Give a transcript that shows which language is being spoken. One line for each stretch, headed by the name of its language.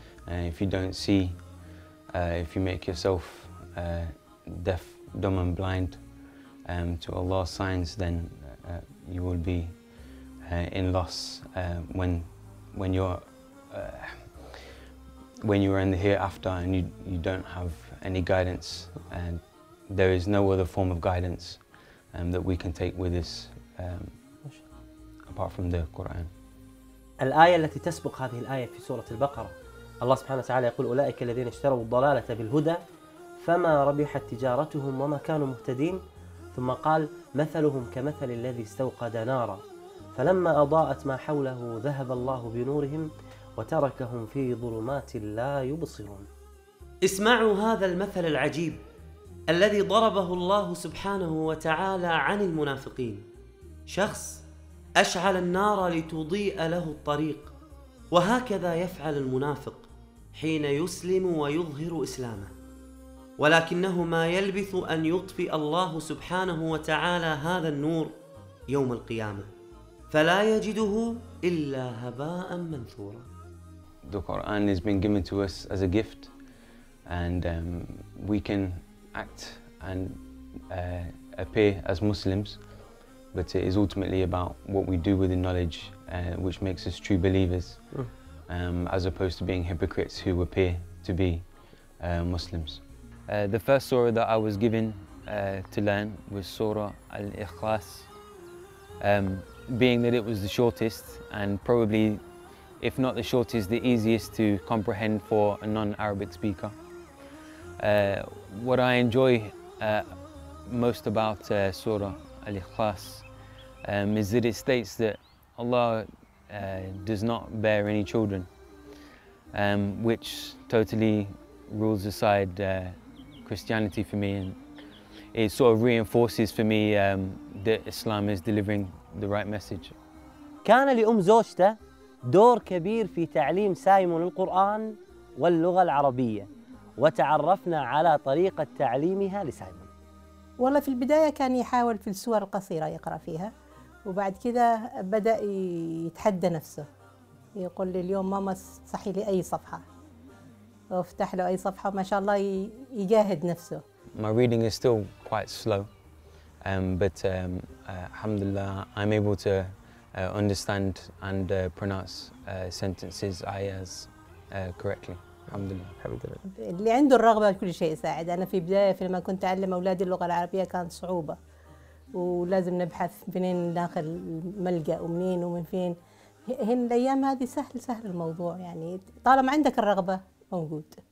English: And if you don't see, if you make yourself deaf, dumb and blind to Allah's signs, then you will be in loss when you're in the hereafter, and you don't have any guidance, and there is no other form of guidance that we can take with us apart from the Quran.
Arabic: الآية التي تسبق هذه الآية في سورة البقرة، الله سبحانه وتعالى يقول: أولئك الذين اشتروا الضلالة بالهدى فما ربحت تجارتهم وما كانوا مهتدين. ثم قال: مثلهم كمثل الذي استوقد نارا فلما أضاءت ما حوله ذهب الله بنورهم وتركهم في ظلمات لا يبصرون. اسمعوا هذا المثل العجيب الذي ضربه الله سبحانه وتعالى عن المنافقين: شخص أشعل النار لتضيء له الطريق، وهكذا يفعل المنافق حين يسلم ويظهر إسلامه، ولكنه ما يلبث أن يطفئ الله سبحانه وتعالى هذا النور يوم القيامة، فلا يجده إلا هباء منثورا.
English: The Quran has been given to us as a gift, and we can act and appear as Muslims, but it is ultimately about what we do with the knowledge which makes us true believers, as opposed to being hypocrites who appear to be Muslims. The first surah that I was given to learn was Surah Al-Ikhlas, being that it was the shortest and probably, if not the shortest, the easiest to comprehend for a non-Arabic speaker. What I enjoy most about Surah Al-Ikhlas is that it states that Allah does not bear any children, which totally rules aside Christianity for me, and it sort of reinforces for me that Islam is delivering the right message.
Arabic: كان لأم زوجته دور كبير في تعليم سايمون القرآن واللغة العربية، وتعرفنا على طريقة تعليمها لسايمون. والله في البداية كان يحاول في السور القصيرة يقرأ فيها، وبعد كذا بدأ يتحدى نفسه، يقول لي اليوم ماما صحي لي أي صفحة، وافتح له أي صفحة، ما شاء الله يجاهد نفسه.
English: My reading is still quite slow, but alhamdulillah, I'm able to understand and pronounce sentences, ayahs correctly.
Arabic: Alhamdulillah. اللي عنده الرغبة كل شيء يساعد. أنا في البداية لما كنت أعلم أولادي اللغة العربية كانت صعوبة، ولازم نبحث منين ناخذ ملجأ ومنين ومن فين. هن الأيام هذه سهل سهل الموضوع، يعني طالما عندك الرغبة موجود.